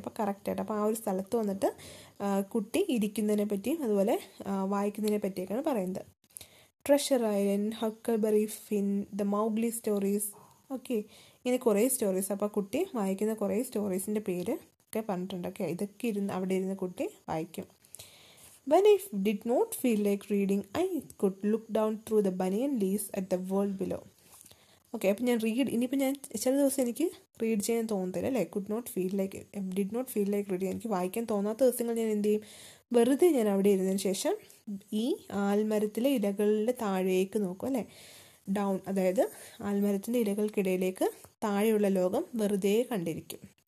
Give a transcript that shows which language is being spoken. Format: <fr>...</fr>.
<ml>അപ്പോൾ കറക്റ്റായിട്ട് അപ്പോൾ ആ ഒരു സ്ഥലത്ത് വന്നിട്ട് കുട്ടി ഇരിക്കുന്നതിനെ പറ്റിയും അതുപോലെ വായിക്കുന്നതിനെ പറ്റിയൊക്കെയാണ് പറയുന്നത്. Treasure island, ഹക്കൽബറി fin, the Mowgli stories, okay ഇങ്ങനെ കുറേ സ്റ്റോറീസ്. അപ്പോൾ കുട്ടി വായിക്കുന്ന കുറേ സ്റ്റോറീസിൻ്റെ പേര് ഒക്കെ പറഞ്ഞിട്ടുണ്ട്. ഓക്കെ, ഇതൊക്കെ ഇരുന്ന് അവിടെ ഇരുന്ന് കുട്ടി വായിക്കും.</ml> <en>When I did not feel like reading, I could look down through the banyan leaves at the world below.</en> <ml>Okay, അപ്പം ഞാൻ റീഡ്, ഇനിയിപ്പോൾ ഞാൻ ചില ദിവസം എനിക്ക് റീഡ് ചെയ്യാൻ തോന്നത്തില്ല അല്ലേ.</ml> <en>could not feel like, did not feel like read,</en> <ml>എനിക്ക് വായിക്കാൻ തോന്നാത്ത ദിവസങ്ങൾ ഞാൻ എന്ത് ചെയ്യും, വെറുതെ ഞാൻ അവിടെ ഇരുന്നതിന് ശേഷം ഈ ആൽമരത്തിലെ ഇലകളുടെ താഴേക്ക് നോക്കും അല്ലേ. ഡൗൺ, അതായത് ആൽമരത്തിൻ്റെ ഇലകൾക്കിടയിലേക്ക് താഴെയുള്ള ലോകം വെറുതെ കണ്ടിരിക്കും.</ml>